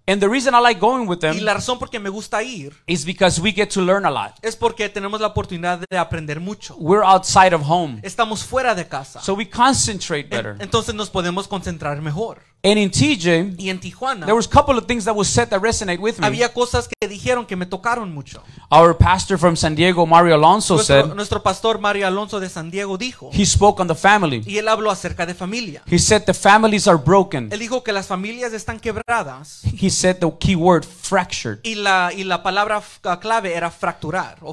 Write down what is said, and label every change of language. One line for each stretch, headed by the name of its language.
English: And the reason I like going with them,
Spanish: y la razón porque me gusta ir,
English: is because we get to learn a lot.
Spanish: Es porque tenemos la oportunidad de aprender mucho.
English: We're outside of home.
Spanish: Estamos fuera de casa.
English: So we concentrate better.
Spanish: Entonces nos podemos concentrar mejor.
English: And in TJ,
Spanish: y en Tijuana,
English: there was a couple of things that was said that resonate with me.
Spanish: Había cosas que dijeron que me tocaron mucho.
English: Our pastor from San Diego, Mario Alonso, said,
Spanish: nuestro pastor Mario Alonso de San Diego dijo,
English: he spoke on the family.
Spanish: Y él habló acerca de familia.
English: He said the families are broken.
Spanish: Él dijo que las familias están quebradas.
English: He said the key word, fractured.
Spanish: Y la palabra clave era fracturar o